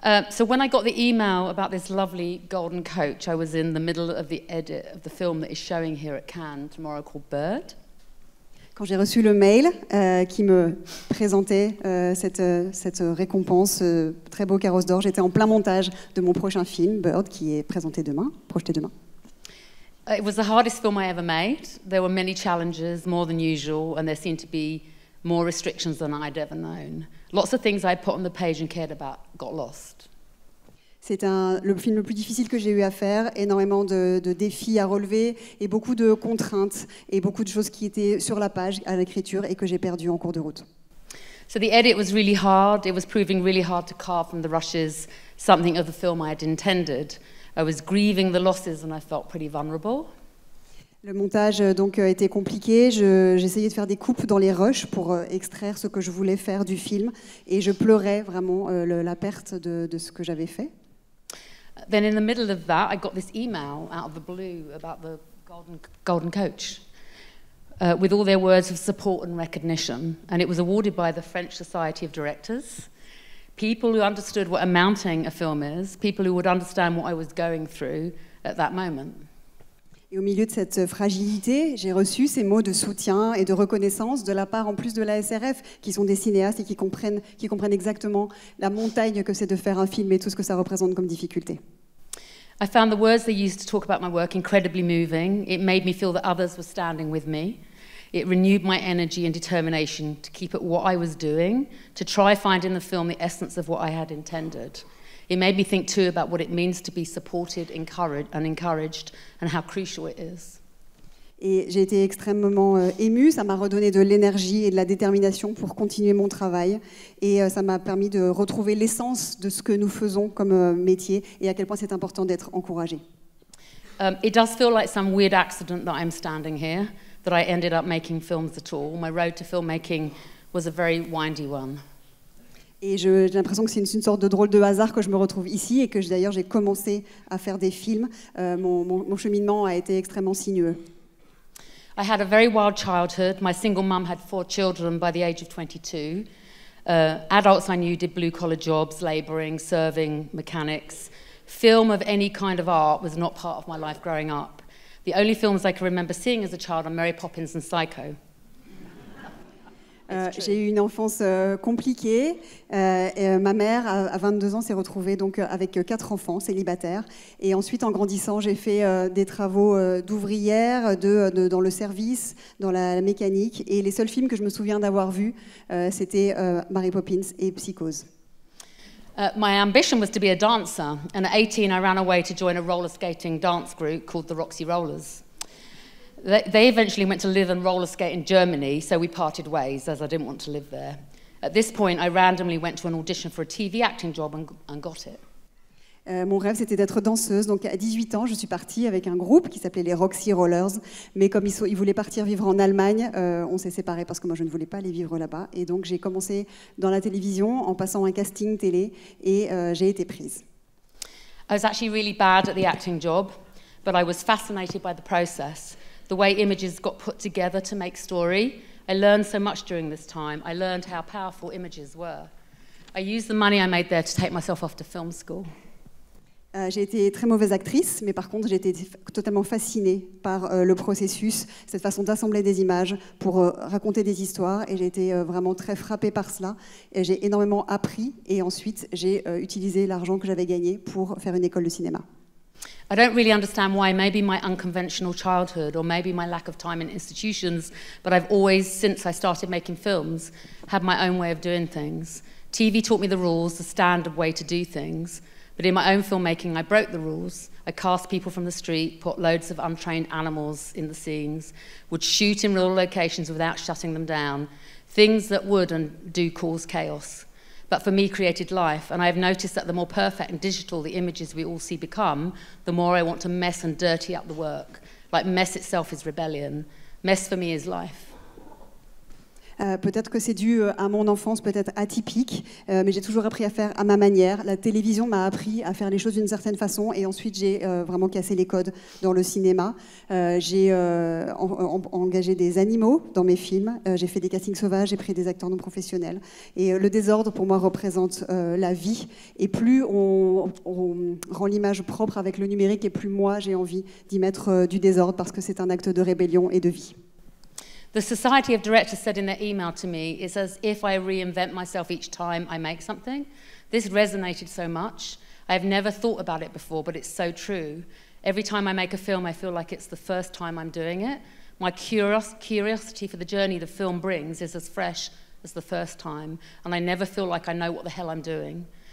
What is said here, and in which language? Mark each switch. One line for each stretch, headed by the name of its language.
English: So when I got the email about this lovely golden coach, I was in the middle of the edit of the film that is showing here at Cannes tomorrow called Bird.
French: Quand j'ai reçu le mail qui me présentait cette récompense, ce très beau carrosse d'or, j'étais en plein montage de mon prochain film, Bird, qui est présenté demain, projeté demain.
English: It was the hardest film I ever made. There were many challenges, more than usual, and there seemed to be more restrictions than I'd ever known. Lots of things I put on the page and cared about got lost.
French: C'est le film le plus difficile que j'ai eu à faire, énormément de défis à relever et beaucoup de contraintes et beaucoup de choses qui étaient sur la page à l'écriture et que j'ai perdu en cours de route.
English: So the edit was really hard. It was proving really hard to carve from the rushes something of the film I had intended. I was grieving the losses and I felt pretty vulnerable.
French: Le montage donc était compliqué. J'essayais de faire des coupes dans les rushs pour extraire ce que je voulais faire du film et je pleurais vraiment la perte de ce que j'avais fait.
English: Then in the middle of that, I got this email out of the blue about the golden coach, with all their words of support and recognition, and it was awarded by the French Society of Directors, people who understood what a mounting a film is, people who would understand what I was going through, at that moment.
French: Et au milieu de cette fragilité, j'ai reçu ces mots de soutien et de reconnaissance de la part, en plus de la SRF, qui sont des cinéastes et qui comprennent exactement la montagne que c'est de faire un film et tout ce que ça représente comme difficulté.
English: I found the words they used to talk about my work incredibly moving. It made me feel that others were standing with me. It renewed my energy and determination to keep at what I was doing, to try finding the film the essence of what I had intended. It made me think too about what it means to be supported, encouraged, and how crucial it is.
French: Et j'ai été extrêmement émue. Ça m'a redonné de l'énergie et de la détermination pour continuer mon travail. Et ça m'a permis de retrouver l'essence de ce que nous faisons comme métier et à quel point c'est important d'être encouragé.
English: It does feel like some weird accident that I'm standing here, that I ended up making films at all. My road to filmmaking was a very windy one.
French: Et j'ai l'impression que c'est une sorte de drôle de hasard que je me retrouve ici et que d'ailleurs j'ai commencé à faire des films. Mon cheminement a été extrêmement sinueux.
English: I had a very wild childhood. My single mum had 4 children by the age of 22. Adults I knew did blue collar jobs, labouring, serving, mechanics. Film of any kind of art was not part of my life growing up. The only films I can remember seeing as a child are Mary Poppins and Psycho.
French: J'ai eu une enfance compliquée. Ma mère, à 22 ans, s'est retrouvée donc avec 4 enfants, célibataires. Et ensuite, en grandissant, j'ai fait des travaux d'ouvrière, dans le service, dans la mécanique. Et les seuls films que je me souviens d'avoir vus, c'était Mary Poppins et Psychose.
English: My ambition was to be a dancer. And at 18, I ran away to join a roller skating dance group called the Roxy Rollers. They eventually went to live and roller skate in Germany, so we parted ways, as I didn't want to live there. At this point, I randomly went to an audition for a TV acting job and got it.
French: Mon rêve, c'était d'être danseuse. Donc, à 18 ans, je suis partie avec un groupe qui s'appelait les Roxy Rollers. Mais comme ils voulaient partir vivre en Allemagne, on s'est séparés parce que moi, je ne voulais pas aller vivre là-bas. Et donc, j'ai commencé dans la télévision en passant un casting télé et j'ai été prise.
English: I was actually really bad at the acting job, but I was fascinated by the process. The way images got put together to make story. I learned so much during this time. I learned how powerful images were. I used the money I made there to take myself off to film school.
French: J'ai été très mauvaise actrice, mais par contre, j'ai été totalement fascinée par le processus, cette façon d'assembler des images pour raconter des histoires, et j'ai été vraiment très frappée par cela. Et j'ai énormément appris, et ensuite, j'ai utilisé l'argent que j'avais gagné pour faire une école de cinéma.
English: I don't really understand why, maybe my unconventional childhood or maybe my lack of time in institutions, but I've always, since I started making films, had my own way of doing things. TV taught me the rules, the standard way to do things, but in my own filmmaking, I broke the rules. I cast people from the street, put loads of untrained animals in the scenes, would shoot in rural locations without shutting them down, things that would and do cause chaos. But for me, created life, and I have noticed that the more perfect and digital the images we all see become, the more I want to mess and dirty up the work. Like mess itself is rebellion. Mess for me is life.
French: Peut-être que c'est dû à mon enfance, peut-être atypique, mais j'ai toujours appris à faire à ma manière. La télévision m'a appris à faire les choses d'une certaine façon, et ensuite j'ai vraiment cassé les codes dans le cinéma. J'ai engagé des animaux dans mes films, j'ai fait des castings sauvages, j'ai pris des acteurs non professionnels. Et le désordre, pour moi, représente la vie. Et plus on rend l'image propre avec le numérique, et plus moi, j'ai envie d'y mettre du désordre, parce que c'est un acte de rébellion et de vie.
English: The Society of Directors said in their email to me, it's as if I reinvent myself each time I make something. This resonated so much. I have never thought about it before, but it's so true. Every time I make a film, I feel like it's the first time I'm doing it. My curiosity for the journey the film brings is as fresh as the first time, and I never feel like I know what the hell I'm doing.